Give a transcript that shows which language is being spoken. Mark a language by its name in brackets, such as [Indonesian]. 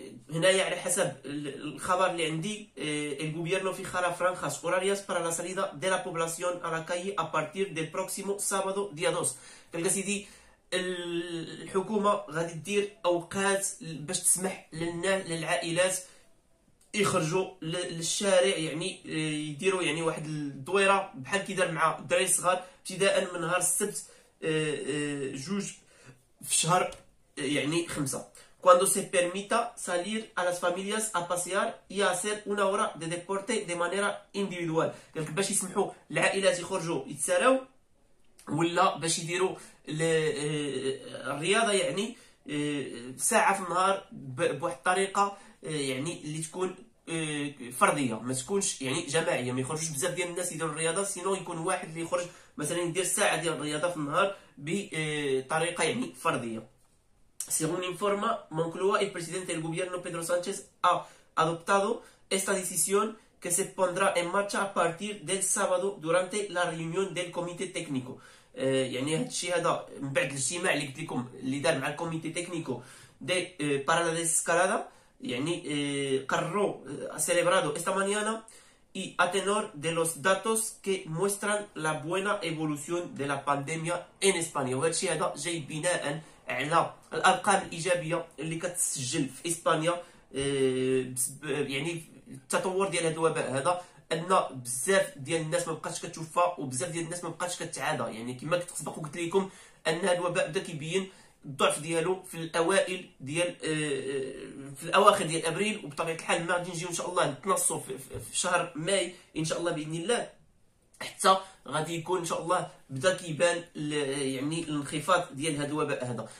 [Arabic] هنايا على حسب الخبر اللي عندي، [Spanish] el gobierno fijará franjas horarias para la salida de la población a la calle a partir del próximo sábado día 2. [Arabic] قال سيدي الحكومه غادي دير اوقات باش تسمح للعائلات يخرجوا للشارع، يعني يديروا يعني واحد الدويره بحال كي دار مع الدراري الصغار ابتداء من نهار السبت جوج في شهر يعني خمسة. [Spanish] cuando se permita salir a las familias a pasear y a hacer una hora de deporte de manera individual. [Arabic] قالك باش يسمحوا للعائلات يخرجوا يتساراو، ولا باش يديروا الرياضة يعني ساعة في النهار بواحد الطريقة يعني اللي تكون فردية ما تكونش يعني جماعية، ما يخرجوش بزاف ديال الناس يديروا الرياضة، سينو يكون واحد اللي يخرج مثلا يدير ساعة ديال الرياضة في النهار بطريقة يعني فردية. [Spanish] Según informa Moncloa, el presidente del gobierno Pedro Sánchez ha adoptado esta decisión que se pondrá en marcha a partir del sábado durante la reunión del comité técnico. [Arabic] يعني هذا الشيء هذا من بعد الاجتماع اللي قلت لكم اللي دار مع الكوميتي تكنيكو دي [Spanish] para la desescalada، [Arabic] يعني قرروا [Spanish] celebrado esta mañana y a tenor de los datos que muestran la buena evolución de la pandemia en España. [Arabic] وهذا الشيء هذا جاي بناء على الارقام الايجابيه اللي كتسجل في اسبانيا، يعني التطور ديال هذا الوباء هذا، ان بزاف ديال الناس ما بقاتش كتشوفها وبزاف ديال الناس ما بقاتش كتعادها. يعني كما كنت سبق وقلت لكم ان هذا الوباء بدا كيبين الضعف ديالو في الاوائل ديال في الاواخر ديال ابريل، وبطبيعه الحال ما غادي نجيو ان شاء الله نتنصوا في شهر ماي ان شاء الله باذن الله، حتى غادي يكون ان شاء الله بدا كيبان يعني الانخفاض ديال هذا الوباء هذا.